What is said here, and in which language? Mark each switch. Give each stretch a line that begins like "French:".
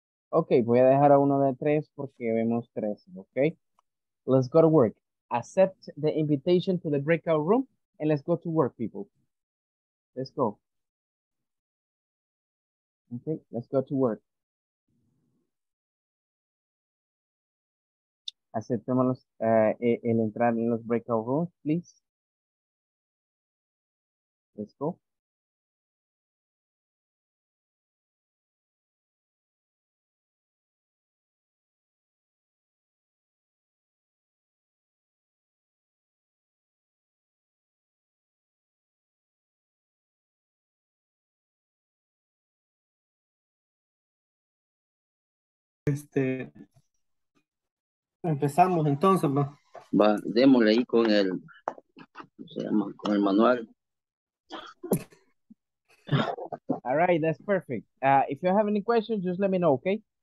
Spanish: Ok, voy a dejar a uno de tres porque vemos tres, ok.
English: Let's go to work. Accept the invitation to the breakout room and let's go to work, people. Let's go. Ok, let's go to work.
Spanish: Aceptemos el entrar en los breakout rooms, please.
English: Let's go.
Spanish: Empezamos entonces, ¿no? Va, démosle ahí con el, se llama, con el manual.
English: All right, that's perfect. If you have any questions, just let me know, okay?